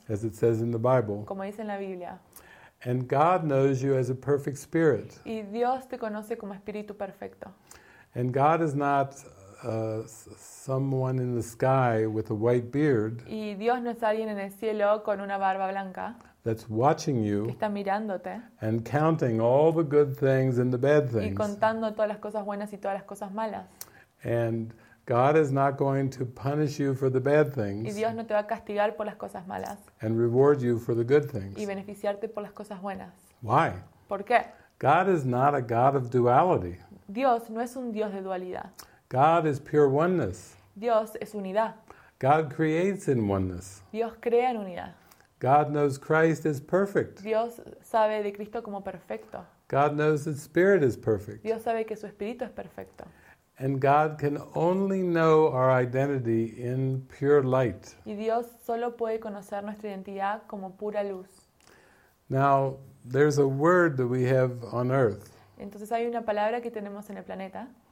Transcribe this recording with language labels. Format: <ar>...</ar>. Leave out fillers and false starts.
<en>As it says in the Bible.</en> <es>Como dice en la Biblia.</es> <en>And God knows you as a perfect spirit.</en> <es>Y Dios te conoce como espíritu perfecto.</es> <en>And God is not someone in the sky with a white beard.</en> <es>Y Dios no es alguien en el cielo con una barba blanca.</es> <en>That's watching you.</en> <es>Que está mirándote.</es> <en>And counting all the good things and the bad things.</en> <es>Y contando todas las cosas buenas y todas las cosas malas.</es> <en>And God is not going to punish you for the bad things.</en> <es>Y Dios no te va a castigar por las cosas malas.</es> <en>And reward you for the good things.</en> <es>Y beneficiarte por las cosas buenas.</es> <en>Why?</en> <es>¿Por qué?</es> <en>God is not a God of duality.</en> <es>Dios no es un Dios de dualidad.</es> <en>God is pure oneness.</en> <es>Dios es unidad.</es> <en>God creates in oneness.</en> <es>Dios crea en unidad.</es> <en>God knows Christ is perfect.</en> <es>Dios sabe de Cristo como perfecto.</es> <en>God knows that spirit is perfect.</en> <es>Dios sabe que su espíritu es perfecto.</es> <en>And God can only know our identity in pure light.</en> <es>Y Dios solo puede conocer nuestra identidad como pura luz.</es> <en>Now, there's a word that we have on earth.</en> <es>Entonces hay una palabra que tenemos en el planeta.</es>